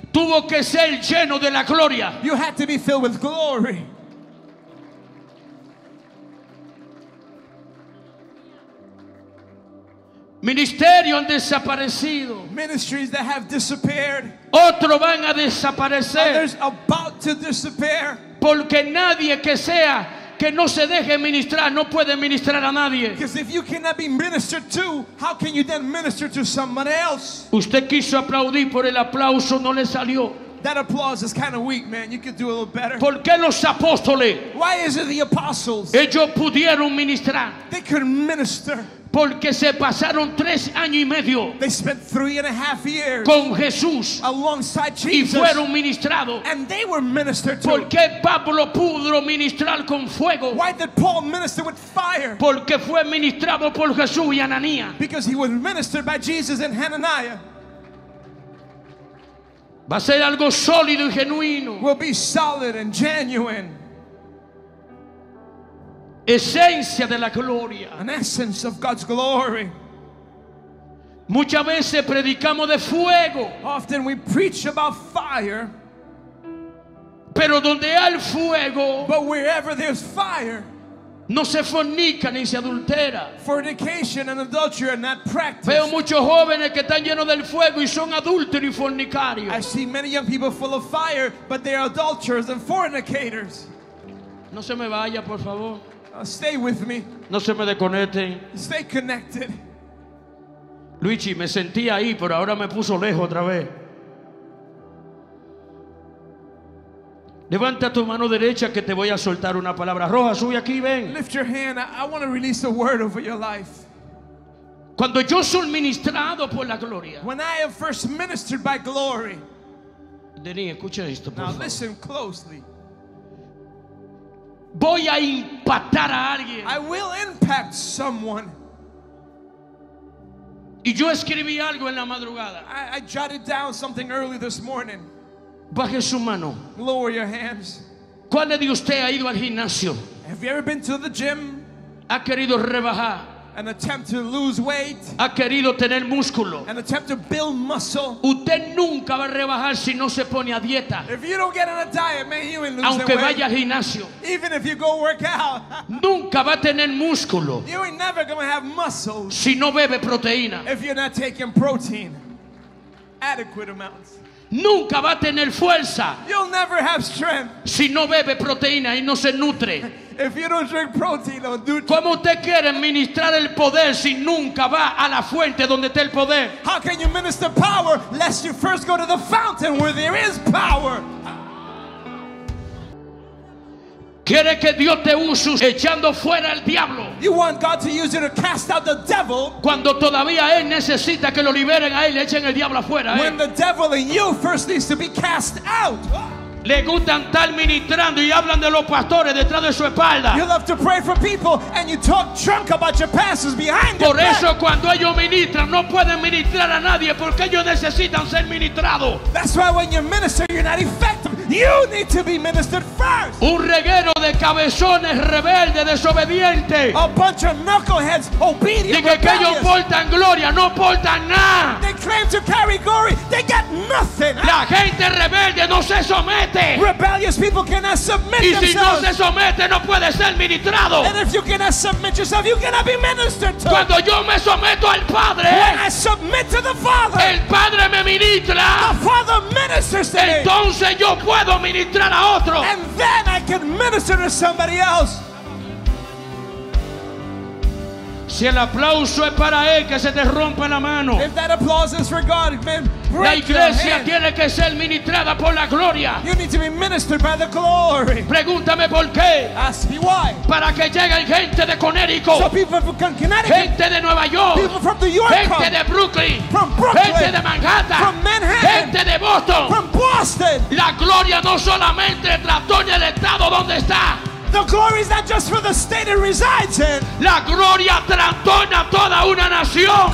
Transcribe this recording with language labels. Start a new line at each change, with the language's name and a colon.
Spanish: tuvo que ser lleno de la gloria.
English: You had to be filled with glory.
Spanish: Ministerios han desaparecido.
English: Ministries that have disappeared.
Spanish: Otros van a desaparecer.
English: Others about to disappear.
Spanish: Porque nadie que sea que no se deje ministrar no puede ministrar a nadie.
English: Because if you cannot be ministered to, how can you then minister to someone else?
Spanish: Usted quiso aplaudir, pero el aplauso no le salió.
English: That applause is kind of weak, man. You could do a little better.
Spanish: ¿Por qué los apóstoles?
English: Why is it the apostles?
Spanish: Ellos pudieron ministrar.
English: They could minister.
Spanish: Porque se pasaron tres años y medio
English: they spent 3.5 years
Spanish: con Jesús
English: alongside Jesus
Spanish: y fueron ministrados.
English: And they were ministered to.
Spanish: ¿Por qué Pablo pudo ministrar con fuego?
English: Why did Paul minister with fire?
Spanish: Porque fue ministrado por Jesús y Ananías.
English: Because he was ministered by Jesus and Hananiah.
Spanish: Va a ser algo sólido y genuino.
English: Will be solid and genuine.
Spanish: Esencia de la gloria.
English: An essence of God's glory.
Spanish: Muchas veces predicamos de fuego.
English: Often we preach about fire.
Spanish: Pero donde hay fuego,
English: but wherever there's fire,
Spanish: no se fornica ni se adultera.
English: Fornication and adultery are not practiced.
Spanish: Veo muchos jóvenes que están llenos del fuego y son adúlteros y fornicarios.
English: I see many young people full of fire, but they are adulterers and fornicators.
Spanish: No se me vaya, por favor.
English: Stay with me.
Spanish: No se me desconecten.
English: Stay connected.
Spanish: Luigi, me sentí ahí, pero ahora me puso lejos otra vez. Levanta tu mano derecha que te voy a soltar una palabra. Roja, sube aquí, ven.
English: Lift your hand. I want to release a word over your life.
Spanish: Cuando yo soy ministrado por la gloria.
English: When I am first ministered by glory.
Spanish: Denis, escucha esto, por
English: now,
Spanish: favor.
English: Now listen closely.
Spanish: Voy a impactar a alguien.
English: I will impact someone.
Spanish: Y yo escribí algo en la madrugada.
English: I jotted down something early this morning.
Spanish: Baje su mano.
English: Lower your hands.
Spanish: ¿Cuál de usted ha ido al gimnasio?
English: Have you ever been to the gym?
Spanish: ¿Ha querido rebajar?
English: An attempt to lose weight.
Spanish: ¿Ha querido tener músculo?
English: An attempt to build muscle.
Spanish: Usted nunca va a rebajar si no se pone a dieta.
English: If you don't get on a diet, man, you ain't losing
Spanish: aunque
English: weight.
Spanish: Vaya al gimnasio.
English: Even if you go work out.
Spanish: Nunca va a tener músculo.
English: You ain't never gonna have muscles.
Spanish: Si no bebe proteína.
English: If you're not taking protein. Adequate amounts.
Spanish: Nunca va a tener fuerza.
English: You'll never have strength.
Spanish: Si no bebe proteína y no se nutre.
English: If you don't drink protein or nutrients.
Spanish: ¿Cómo usted quiere ministrar el poder si nunca va a la fuente donde está el poder?
English: How can you minister power lest you first go to the fountain where there is power?
Spanish: ¿Quiere que Dios te use echando fuera al diablo?
English: You want God to use you to cast out the devil?
Spanish: Cuando todavía él necesita que lo liberen a él, echen el diablo afuera.
English: When the devil in you first needs to be cast out.
Spanish: Le gustan estar ministrando y hablan de los pastores detrás de su espalda.
English: You love to pray for people and you talk junk about your pastors behind their back.
Spanish: Por eso
English: back.
Spanish: Cuando ellos ministran no pueden ministrar a nadie porque ellos necesitan ser ministrados.
English: That's why when you minister you're not effective. You need to be ministered first.
Spanish: Un reguero de cabezones rebeldes, desobedientes.
English: A bunch of knuckleheads, obedient.
Spanish: Dicen que ellos portan gloria, no portan nada.
English: They claim to carry glory, they get nothing.
Spanish: La gente rebelde no se somete.
English: Rebellious people cannot submit
Spanish: y si
English: themselves.
Spanish: No se somete, no puede ser ministrado.
English: And if you cannot submit yourself, you cannot be ministered to.
Spanish: Cuando yo me someto al Padre,
English: when I submit to the Father,
Spanish: el Padre me ministra,
English: the Father ministers to
Spanish: entonces
English: me.
Spanish: Yo puedo ministrar a otro.
English: And then I can minister to somebody else.
Spanish: Si el aplauso es para él, que se te rompa la mano.
English: If that applause is for God, man, break
Spanish: la iglesia tiene que ser ministrada por la gloria.
English: You need to be ministered by the glory.
Spanish: Pregúntame por qué.
English: Ask me why.
Spanish: Para que lleguen gente de Connecticut.
English: So people from Connecticut.
Spanish: Gente de Nueva York.
English: People from New York.
Spanish: Gente de Brooklyn.
English: From Brooklyn.
Spanish: Gente de Manhattan.
English: From Manhattan.
Spanish: Gente de Boston.
English: From Boston.
Spanish: La gloria no solamente trastorna el estado donde está.
English: The glory is not just for the state it resides in.
Spanish: La gloria trastorna toda una nación.